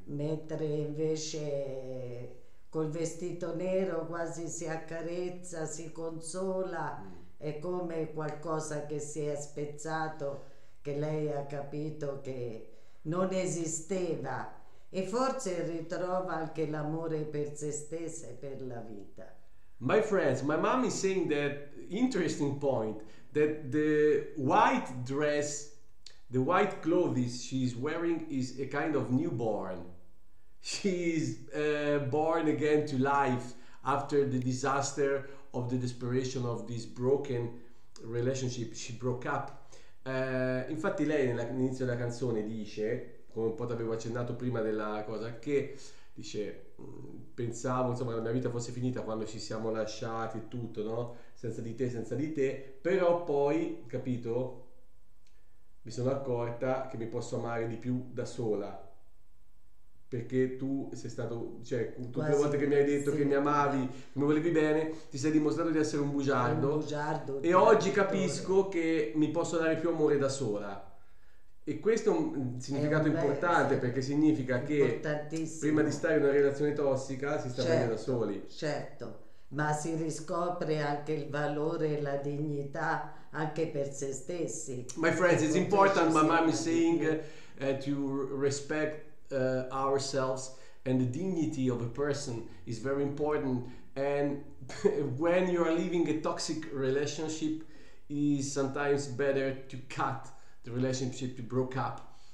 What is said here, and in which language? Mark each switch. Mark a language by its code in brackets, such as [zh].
[it] Mentre invece col vestito nero quasi si accarezza, si consola, è come qualcosa che si è spezzato, che lei ha capito che non esisteva e forse ritrova anche l'amore per se stessa e per la vita. [en] My friends, my mom is saying that interesting point, that the white dress, the white clothes she's wearing is a kind of newborn. She's born again to life after the disaster of the desperation of this broken relationship. She broke up. [it] Infatti lei all'inizio della canzone dice, come un po' ti avevo accennato prima della cosa, che dice pensavo insomma che la mia vita fosse finita quando ci siamo lasciati e tutto, no? senza di te, però poi, capito, mi sono accorta che mi posso amare di più da sola, perché tu sei stato, cioè tutte le volte che mi hai detto sì, che mi amavi, che mi volevi bene, ti sei dimostrato di essere un bugiardo. Un bugiardo. E oggi capisco che mi posso dare più amore da sola. E questo è un significato importante, perché significa che prima di stare in una relazione tossica si sta bene da soli. Certo, ma si riscopre anche il valore e la dignità anche per se stessi. [en] My friends, it's important, my mom is saying, to respect ourselves, and the dignity of a person is very important, and when you are living a toxic relationship is sometimes better to cut the relationship, to break up.